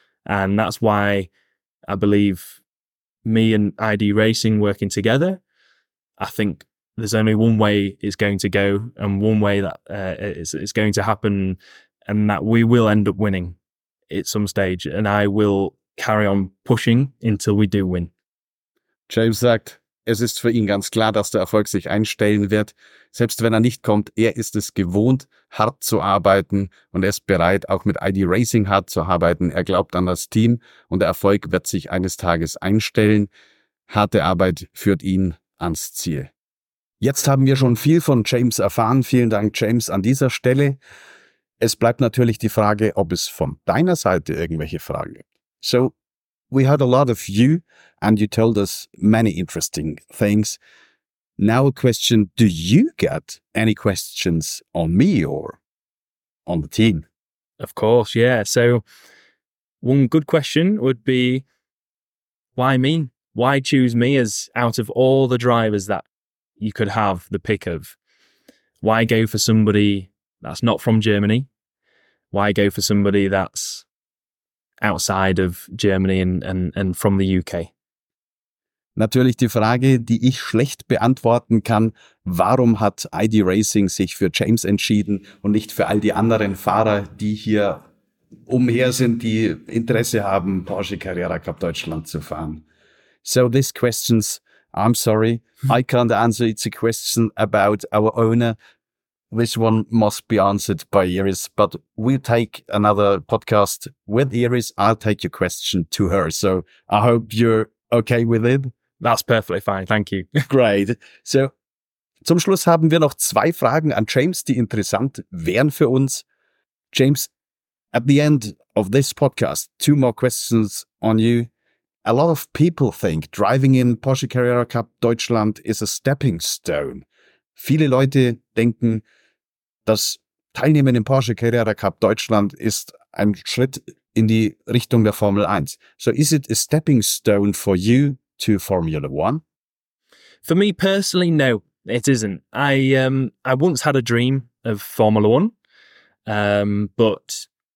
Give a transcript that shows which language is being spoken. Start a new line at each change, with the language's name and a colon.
English: And that's why I believe me and ID Racing working together, I think there's only one way it's going to go and one way that it's going to happen, and that we will end up winning at some stage, and I will carry on pushing until we do win.
German: James sagt, es ist für ihn ganz klar, dass der Erfolg sich einstellen wird. Selbst wenn er nicht kommt, er ist es gewohnt, hart zu arbeiten, und er ist bereit, auch mit ID Racing hart zu arbeiten. Er glaubt an das Team und der Erfolg wird sich eines Tages einstellen. Harte Arbeit führt ihn ans Ziel. Jetzt haben wir schon viel von James erfahren. Vielen Dank, James, an dieser Stelle. Es bleibt natürlich die Frage, ob es von deiner Seite irgendwelche Fragen gibt.
English: So, we heard a lot of you and you told us many interesting things. Now a question, do you get any questions on me or on the team? Of course, yeah. So one good question would be, why me? Why choose me as out of all the drivers that you could have the pick of? Why go for somebody that's not from Germany? Why go for somebody that's outside of Germany and from the UK?
German: Natürlich die Frage, die ich schlecht beantworten kann: Warum hat ID Racing sich für James entschieden und nicht für all die anderen Fahrer, die hier umher sind, die Interesse haben, Porsche Carrera Cup Deutschland zu fahren?
English: So these questions, I'm sorry, I can't answer. It's a question about our owner. This one must be answered by Iris, but we'll take another podcast with Iris. I'll take your question to her. So I hope you're okay with it. That's perfectly fine. Thank you. Great.
German: So zum Schluss haben wir noch zwei Fragen an James, die interessant wären für uns.
English: James, at the end of this podcast, two more questions on you. A lot of people think driving in Porsche Carrera Cup Deutschland is a stepping stone.
German: Viele Leute denken, das Teilnehmen im Porsche Carrera Cup Deutschland ist ein Schritt in die Richtung der Formel 1.
English: So is it a stepping stone for you to Formula 1? For me personally, no, it isn't. I once had a dream of Formula 1, but